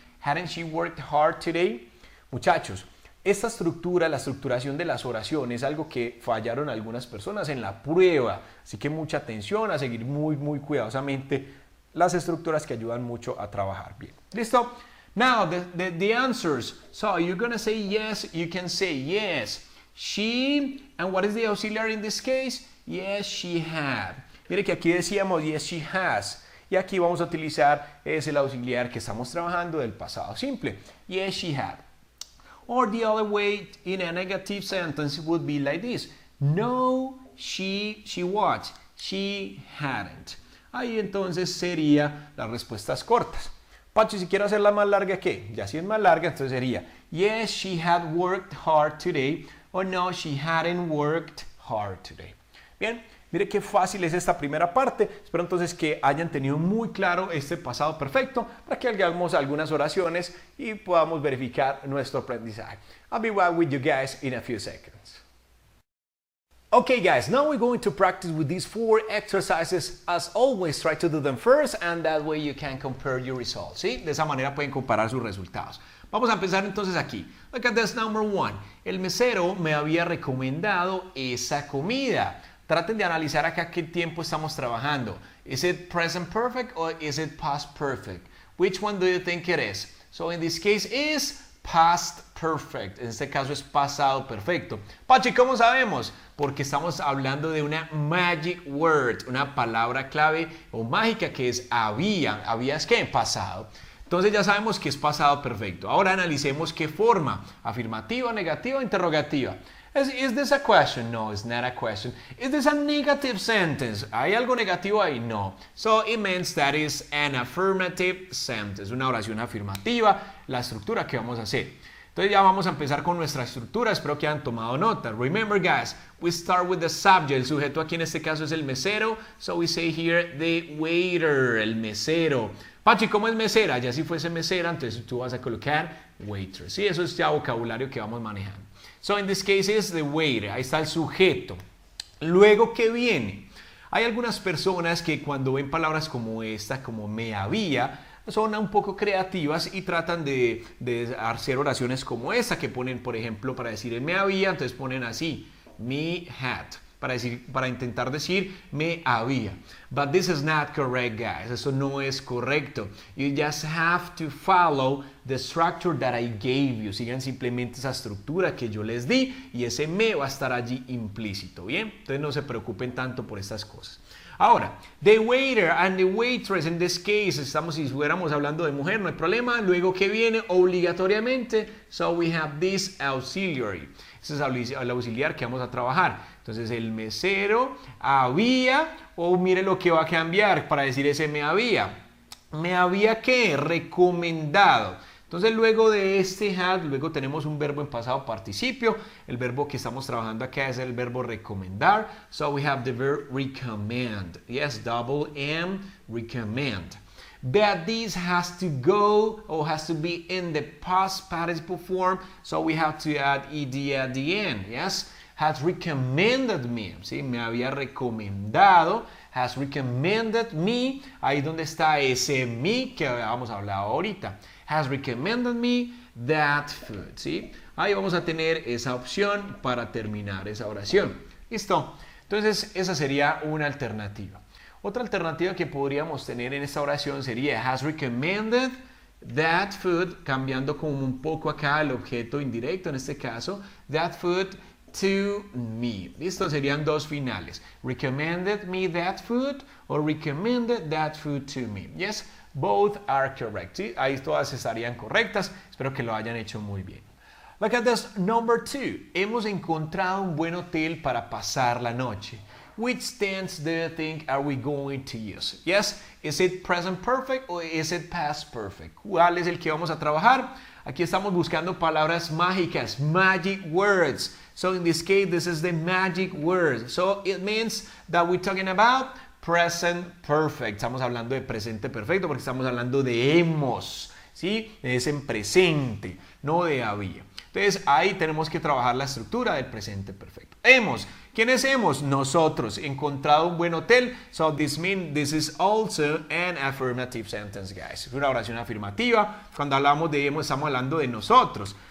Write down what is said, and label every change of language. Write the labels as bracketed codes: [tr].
[en] Hadn't she worked hard today? [es] Muchachos, esta estructura, la estructuración de las oraciones, es algo que fallaron algunas personas en la prueba. Así que mucha atención a seguir muy, muy cuidadosamente las estructuras que ayudan mucho a trabajar bien. ¿Listo? [en] Now, the answers. So, you're going to say yes, you can say yes. She, and what is the auxiliary in this case? Yes, she had. [es] Mire que aquí decíamos, [en] yes, she has. [es] Y aquí vamos a utilizar ese auxiliar que estamos trabajando del pasado simple. [en] Yes, she had. Or the other way in a negative sentence would be like this. No, she what? She hadn't. [es] Ahí entonces sería las respuestas cortas. Pacho, si quiero hacerla más larga, ¿qué? Ya si es más larga, entonces sería, [en] yes, she had worked hard today. Or no, she hadn't worked hard today. [es] Bien. Mire qué fácil es esta primera parte. Espero entonces que hayan tenido muy claro este pasado perfecto para que hagamos algunas oraciones y podamos verificar nuestro aprendizaje. [en] I'll be right with you guys in a few seconds. Okay, guys, now we're going to practice with these four exercises. As always, try to do them first and that way you can compare your results. [es] ¿Sí? De esa manera pueden comparar sus resultados. Vamos a empezar entonces aquí. [en] Look at this number one. [es] El mesero me había recomendado esa comida. Traten de analizar acá qué tiempo estamos trabajando. [en] Is it present perfect or is it past perfect? Which one do you think it is? So in this case is past perfect. [es] En este caso es pasado perfecto. Pachi, ¿cómo sabemos? Porque estamos hablando de una magic word, una palabra clave o mágica que es había. ¿Había es qué? Pasado. Entonces ya sabemos que es pasado perfecto. Ahora analicemos qué forma. ¿Afirmativa, negativa o interrogativa? [en] Is this a question? No, it's not a question. Is this a negative sentence? [es] ¿Hay algo negativo ahí? No. [en] So it means that is an affirmative sentence. [es] Una oración afirmativa, la estructura que vamos a hacer. Entonces ya vamos a empezar con nuestra estructura. Espero que hayan tomado nota. [en] Remember, guys, we start with the subject. [es] El sujeto aquí en este caso es el mesero. [en] So we say here the waiter, [es] el mesero. Pachi, ¿cómo es mesera? Ya si fuese mesera, entonces tú vas a colocar waiter. Sí, eso es ya vocabulario que vamos manejando. [en] So in this case is the waiter. [es] Ahí está el sujeto. Luego, ¿qué viene? Hay algunas personas que cuando ven palabras como esta, como me había, son un poco creativas y tratan de hacer oraciones como esta que ponen, por ejemplo, para decir me había, entonces ponen así, me had, para intentar decir me había. [en] But this is not correct, guys. [es] Eso no es correcto. [en] You just have to follow the structure that I gave you. [es] Sigan simplemente esa estructura que yo les di y ese me va a estar allí implícito, ¿bien? Entonces no se preocupen tanto por estas cosas. Ahora, [en] the waiter and the waitress, in this case, [es] estamos, si fuéramos hablando de mujer, no hay problema. Luego, ¿qué viene? Obligatoriamente, [en] so we have this auxiliary. [es] Ese es el auxiliar que vamos a trabajar. Entonces, el mesero había, mire lo que va a cambiar para decir ese me había. ¿Me había qué? Recomendado. Entonces, luego de este had, luego tenemos un verbo en pasado participio. El verbo que estamos trabajando acá es el verbo recomendar. [en] So, we have the verb recommend. Yes, double M, recommend. But this has to go or has to be in the past participle form. So, we have to add ED at the end. Yes, has recommended me. [es] ¿Sí? Me había recomendado. [en] Has recommended me. [es] Ahí donde está ese me que habíamos hablado ahorita. [en] Has recommended me that food. [es] ¿Sí? Ahí vamos a tener esa opción para terminar esa oración. ¿Listo? Entonces, esa sería una alternativa. Otra alternativa que podríamos tener en esta oración sería [en] has recommended that food, [es] cambiando como un poco acá el objeto indirecto en este caso, [en] that food to me. [es] ¿Listo? Serían dos finales. [en] Recommended me that food or recommended that food to me. ¿Yes? Both are correct. [es] ¿Sí? Ahí todas estarían correctas. Espero que lo hayan hecho muy bien. [en] Look at this number two. [es] Hemos encontrado un buen hotel para pasar la noche. [en] Which tense do you think are we going to use? Yes, is it present perfect or is it past perfect? [es] ¿Cuál es el que vamos a trabajar? Aquí estamos buscando palabras mágicas, magic words. [en] So in this case, this is the magic word. So it means that we're talking about present perfect. [es] Estamos hablando de presente perfecto porque estamos hablando de hemos, ¿sí? Es en presente, no de había. Entonces, ahí tenemos que trabajar la estructura del presente perfecto. Hemos. ¿Quién es hemos? Nosotros. Encontrado un buen hotel. [en] So this means this is also an affirmative sentence, guys. [es] Es una oración afirmativa. Cuando hablamos de hemos, estamos hablando de nosotros.